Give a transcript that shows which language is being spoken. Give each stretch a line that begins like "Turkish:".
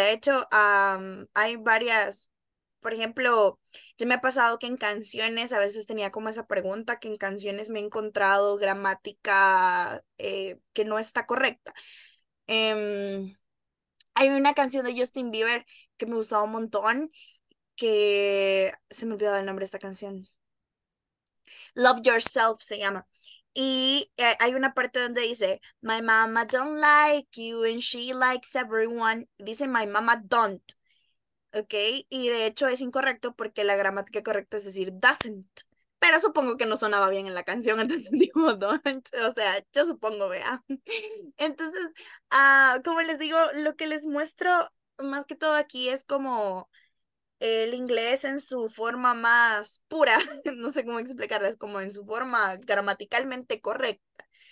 Spanish: De hecho, hay varias, por ejemplo, ya me ha pasado que en canciones, a veces tenía como esa pregunta, que en canciones me he encontrado gramática que no está correcta. Hay una canción de Justin Bieber que me gustaba un montón, que se me olvidó el nombre de esta canción. Love Yourself se llama. Y hay una parte donde dice,
English: my mama don't like you and she likes everyone.
Spanish: Dice,
English: my mama don't.
Spanish: ¿Ok? Y de hecho es incorrecto porque la gramática correcta es decir doesn't. Pero supongo que no sonaba bien en la canción, entonces dijo don't. O sea, yo supongo, vea. Entonces, como les digo, lo que les muestro más que todo aquí es como el inglés en su forma más pura, no sé cómo explicarles, como en su forma gramaticalmente correcta.